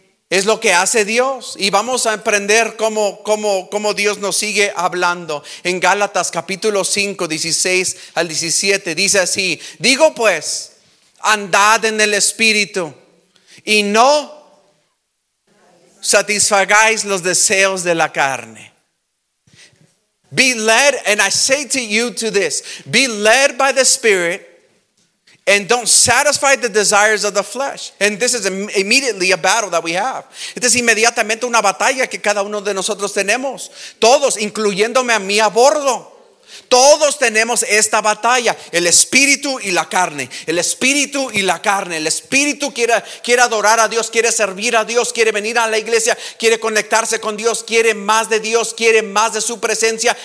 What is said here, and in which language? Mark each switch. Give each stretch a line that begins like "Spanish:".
Spanish: Es lo que hace Dios. Y vamos a aprender cómo Dios nos sigue hablando. En Gálatas capítulo 5, 16 al 17, dice así: digo pues, andad en el Espíritu y no satisfagáis los deseos de la carne.
English: Be led, and I say to you to this, be led by the Spirit and don't satisfy the desires of the flesh. And this is immediately a battle that we have.
Spanish: Esta es inmediatamente una batalla que cada uno de nosotros tenemos. Todos, incluyéndome a mí a bordo. Todos tenemos esta batalla, el espíritu y la carne, el espíritu y la carne. El espíritu quiere adorar a Dios, quiere servir a Dios, quiere venir a la iglesia, quiere conectarse con Dios, quiere más de Dios, quiere más de su presencia.